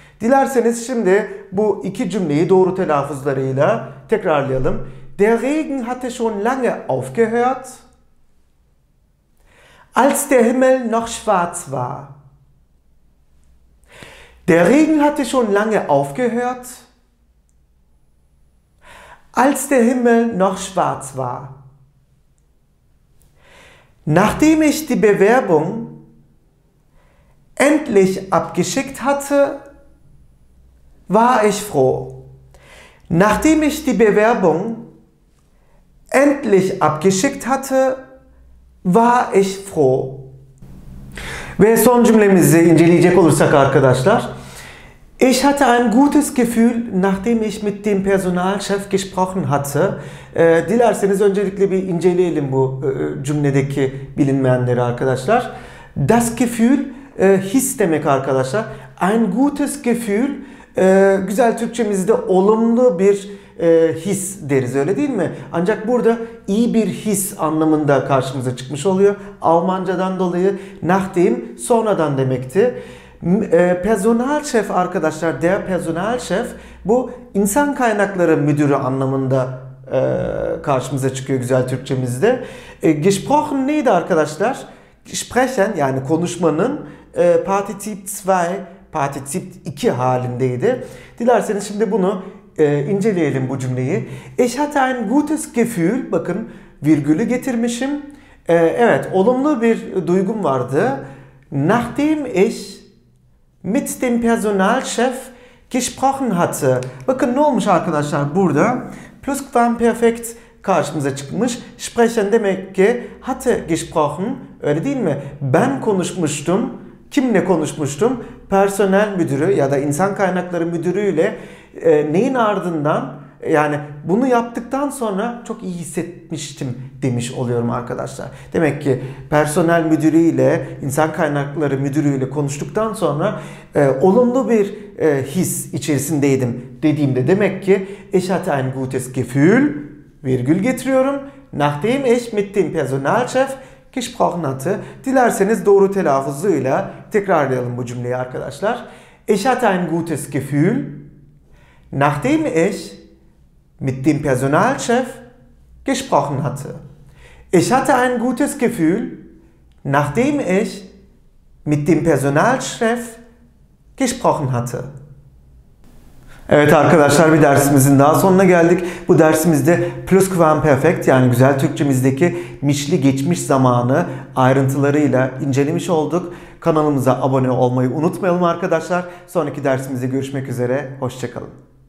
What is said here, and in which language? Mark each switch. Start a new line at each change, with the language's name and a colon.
Turkish: Dilerseniz şimdi bu iki cümleyi doğru telaffuzlarıyla tekrarlayalım.
German: Der Regen hatte schon lange aufgehört, als der Himmel noch schwarz war. Der Regen hatte schon lange aufgehört, als der Himmel noch schwarz war. Nachdem ich die Bewerbung endlich abgeschickt hatte, war ich froh. Nachdem ich die Bewerbung endlich abgeschickt hatte, war ich froh.
Turkish: Ve son cümlemizi inceleyecek olursak arkadaşlar.
German: Ich hatte ein gutes Gefühl, nachdem ich mit dem Personalchef gesprochen hatte.
Turkish: Dilerseniz öncelikle bir inceleyelim bu cümledeki bilinmeyenleri arkadaşlar. Das Gefühl, his demek arkadaşlar.
German: Ein gutes Gefühl,
Turkish: güzel Türkçemizde olumlu bir his deriz, öyle değil mi? Ancak burada iyi bir his anlamında karşımıza çıkmış oluyor. Almancadan dolayı nachdem sonradan demekti. Personalchef arkadaşlar, der Personalchef, bu insan kaynakları müdürü anlamında karşımıza çıkıyor güzel Türkçemizde. Gesprochen neydi arkadaşlar? Sprechen, yani konuşmanın Partizip 2, Partizip 2 halindeydi. Dilerseniz şimdi bunu inceleyelim bu cümleyi.
German: Ich hatte ein gutes Gefühl.
Turkish: Bakın virgülü getirmişim. Evet, olumlu bir duygum vardı.
German: Nachdem ich mit dem Personalchef gesprochen hatte.
Turkish: Bakın ne olmuş arkadaşlar burada? Plusquamperfekt karşımıza çıkmış. Sprechen demek ki hatte gesprochen. Öyle değil mi? Ben konuşmuştum. Kimle konuşmuştum? Personel müdürü ya da insan kaynakları müdürüyle. Neyin ardından, yani bunu yaptıktan sonra çok iyi hissetmiştim demiş oluyorum arkadaşlar. Demek ki personel müdürüyle, insan kaynakları müdürüyle konuştuktan sonra olumlu bir his içerisindeydim dediğimde, demek ki
German: ich hatte ein gutes Gefühl,
Turkish: virgül getiriyorum,
German: nachdem ich mit dem Personalchef gesprochen hatte.
Turkish: Dilerseniz doğru telaffuzuyla tekrarlayalım bu cümleyi arkadaşlar.
German: Ich hatte ein gutes Gefühl, nachdem ich mit dem Personalchef gesprochen hatte. Ich hatte ein gutes Gefühl, nachdem ich mit dem Personalchef gesprochen hatte.
Turkish: Evet arkadaşlar, bir dersimizin daha sonuna geldik. Bu dersimizde plusquamperfekt, yani güzel Türkçemizdeki mişli geçmiş zamanı ayrıntılarıyla incelemiş olduk. Kanalımıza abone olmayı unutmayalım arkadaşlar. Sonraki dersimizde görüşmek üzere. Hoşçakalın.